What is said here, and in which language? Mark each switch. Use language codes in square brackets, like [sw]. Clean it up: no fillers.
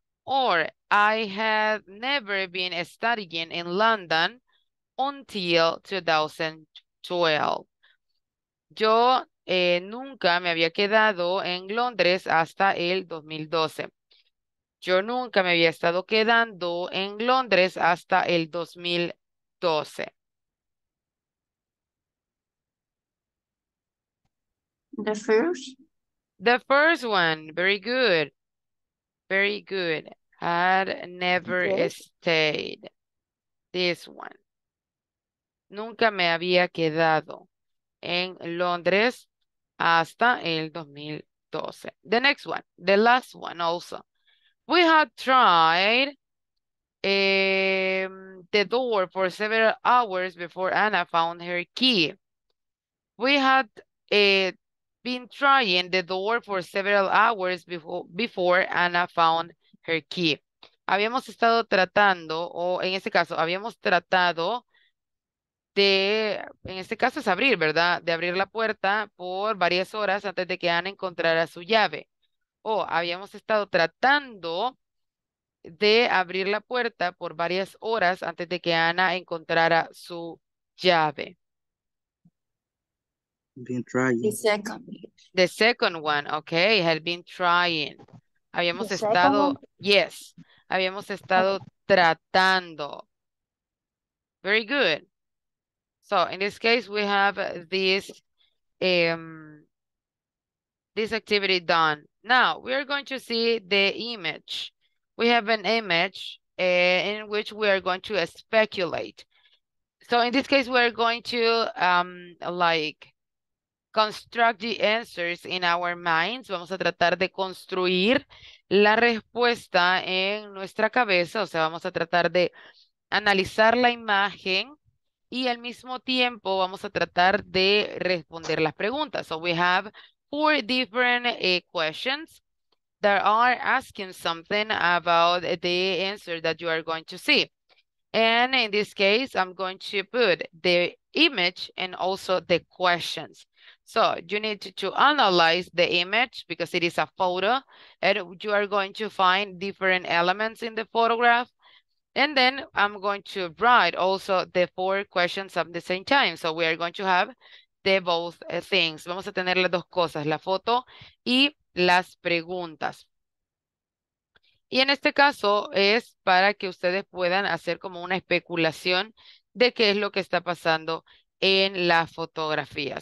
[en] Or I had never been studying in London until 2012. [es] Yo nunca me había quedado en Londres hasta el 2012. Yo nunca me había estado quedando en Londres hasta el 2012. [en] 12. The first? The first one. Very good. Very good. Had never stayed. This one. [es] Nunca me había quedado en Londres hasta el 2012. [en] The next one. The last one also. We had tried the door for several hours before Anna found her key. We had been trying the door for several hours before Anna found her key. [es] Habíamos estado tratando, o en este caso, habíamos tratado de, en este caso es abrir, ¿verdad? De abrir la puerta por varias horas antes de que Anna encontrara su llave. O habíamos estado tratando de abrir la puerta por varias horas antes de que Anna encontrara su llave. [en] Been trying. The second. The second one, okay. Had been trying. [es] Habíamos estado, [en] yes. [es] Habíamos estado tratando. [en] Very good. So, in this case, we have this this activity done. Now, we are going to see the image. We have an image in which we are going to speculate. So, in this case, we are going to, construct the answers in our minds. [es] Vamos a tratar de construir la respuesta en nuestra cabeza. O sea, vamos a tratar de analizar la imagen y al mismo tiempo vamos a tratar de responder las preguntas. [en] So we have four different questions that are asking something about the answer that you are going to see. And in this case, I'm going to put the image and also the questions. So you need to analyze the image because it is a photo and you are going to find different elements in the photograph. And then I'm going to write also the four questions at the same time. So we are going to have the both things. [es] Vamos a tener las dos cosas, la foto y las preguntas. Y en este caso es para que ustedes puedan hacer como una especulación de qué es lo que está pasando en la fotografía.